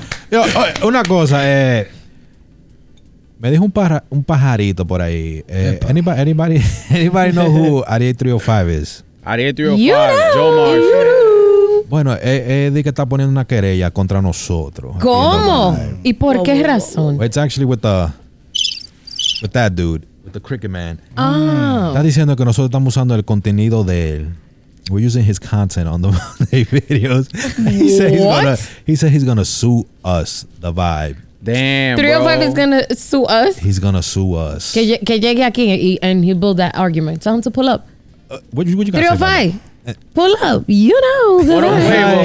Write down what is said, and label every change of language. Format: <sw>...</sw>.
<es>Yo, oh, una cosa, me dijo un pajarito por ahí.</es> <en>Anybody know who Ariel 305 is? Ariel 305, Joe Marshall. Yuru.</en> <es>Bueno, di que está poniendo una querella contra nosotros. ¿Cómo? ¿Y por qué razón?</es> <en>It's actually with that dude, with the cricket man. Ah.</en> <es>Está diciendo que nosotros estamos usando el contenido de él.</es> <en>We're using his content on the videos. He said he's what? Gonna, he said he's gonna sue us, the vibe. Damn, 305 bro. Is gonna sue us? He's gonna sue us.</en> <es>Que llegue aquí</es> <en>and he build that argument. Tell him to pull up. What you 305. Pull up. You know.</en>